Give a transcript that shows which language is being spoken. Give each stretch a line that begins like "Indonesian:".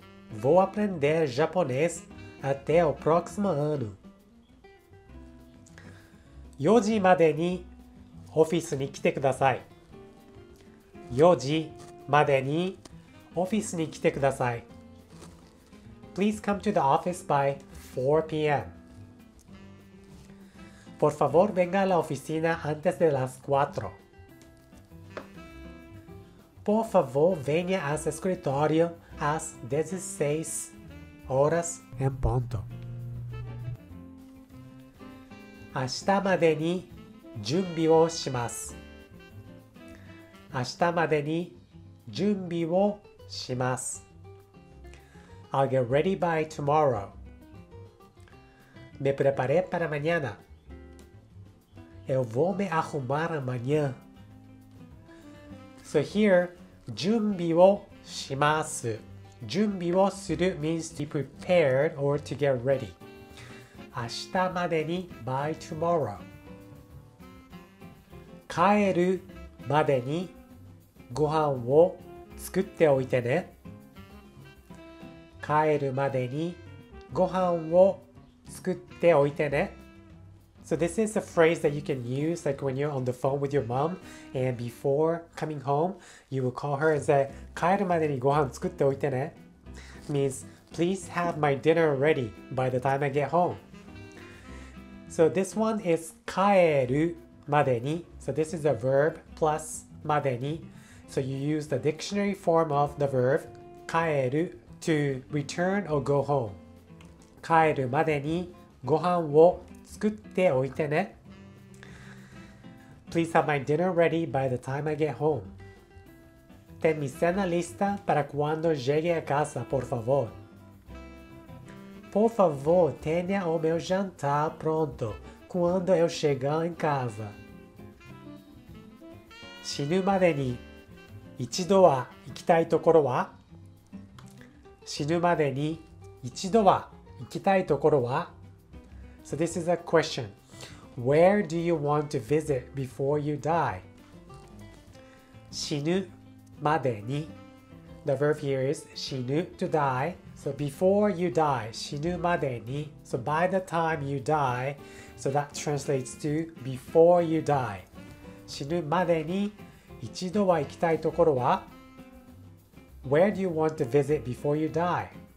Portuguese: Vou aprender japonês até o próximo ano.
Japanese: 4時までにオフィスに来てください。 4時までにオフィスに来てください。
English: Please come to the office by 4 p.m.
Spanish: Por favor, venga a la oficina antes de las 4. Por favor, venga al escritorio a las 16 horas en punto.
Japanese: 明日までに準備をします。明日までに準備をします。
English: I'll get ready by tomorrow.
Spanish: Me preparé para mañana.
Portuguese: Eu vou me arrumar amanhã.
English: So here,
Japanese: 準備をします。
English: 準備をする means to be prepared or to get ready.
Japanese: 明日までに
English: by tomorrow.
Japanese: 帰るまでにご飯を作っておいてね。帰るまでにご飯を作っておいてね。
English: So this is a phrase that you can use like when you're on the phone with your mom and before coming home, you will call her and say,
Japanese: 帰るまでにご飯作っておいてね。
English: Means, please have my dinner ready by the time I get home. So this one is 帰るまでに。So this is a verb plus までに. So you use the dictionary form of the verb 帰る to return or go home.
Japanese: 帰るまでにご飯を作っておいてね.
English: Please have my dinner ready by the time I get home.
Spanish: Ten mi cena lista para cuando llegue a casa, por favor.
Portuguese: Por favor, tenha o meu jantar pronto quando eu chegar em casa.
Japanese: 死ぬまでに一度は行きたいところは? 死ぬまでに一度は行きたいところは?
English: So this is a question. Where do you want to visit before you die? 死ぬまでに The verb here is 死ぬ to die. So before you die, 死ぬまでに So by the time you die, so that translates to before you die.
Japanese: 死ぬまでに一度は行きたいところは?
English: Where do you want to visit before you die?